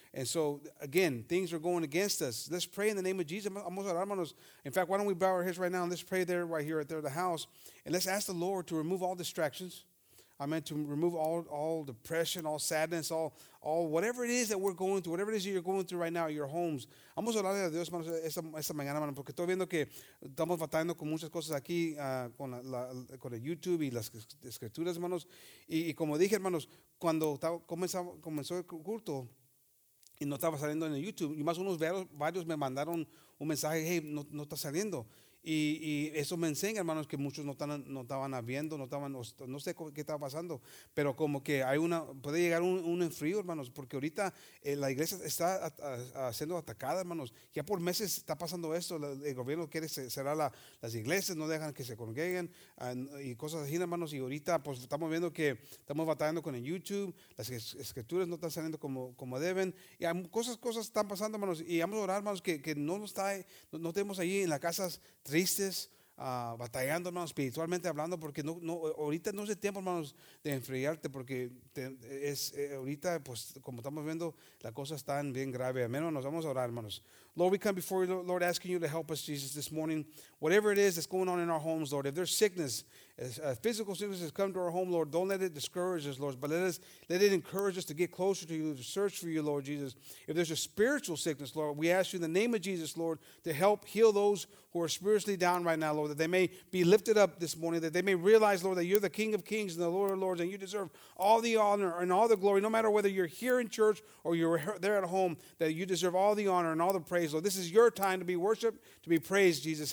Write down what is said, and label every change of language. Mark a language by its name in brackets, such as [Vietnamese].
[English] And so, again, things are going against us. Let's pray in the name of Jesus. In fact, why don't we bow our heads right now and let's pray there right here at the house. And let's ask the Lord to remove all distractions. I meant to remove all depression, all sadness, all whatever it is that we're going through, whatever it is that you're going through right now, your homes. [Spanish] Vamos a hablarle a Dios, hermanos, esta mañana, hermano, porque estoy viendo que estamos batallando con muchas cosas aquí con el YouTube y las escrituras, hermanos. Y como dije, hermanos, cuando comenzó el culto y no estaba saliendo en el YouTube, y más unos varios me mandaron un mensaje, hey, no está saliendo. Y eso me enseña, hermanos, que muchos no estaban viendo, no sé qué estaba pasando, pero como que hay una, puede llegar un enfrío, hermanos, porque ahorita la iglesia está siendo atacada, hermanos. Ya por meses está pasando esto, el gobierno quiere cerrar las iglesias, no dejan que se congreguen y cosas así, hermanos. Y ahorita pues estamos viendo que estamos batallando con el YouTube, las escrituras no están saliendo como deben, y hay cosas están pasando, hermanos. Y vamos a orar, hermanos, que no tenemos ahí en las casas tristes, batallando, hermanos, espiritualmente hablando, porque no ahorita no es el tiempo, hermanos, de enfriarte, porque ahorita, pues, como estamos viendo, la cosa está bien grave. Amén, nos vamos a orar, hermanos. [English] Lord, we come before you, Lord, asking you to help us, Jesus, this morning. Whatever it is that's going on in our homes, Lord, if there's sickness, physical sickness has come to our home, Lord, don't let it discourage us, Lord, but let it encourage us to get closer to you, to search for you, Lord Jesus. If there's a spiritual sickness, Lord, we ask you in the name of Jesus, Lord, to help heal those who are spiritually down right now, Lord, that they may be lifted up this morning, that they may realize, Lord, that you're the King of Kings and the Lord of Lords, and you deserve all the honor and all the glory, no matter whether you're here in church or you're there at home, that you deserve all the honor and all the praise, Lord. This is your time to be worshiped, to be praised, Jesus.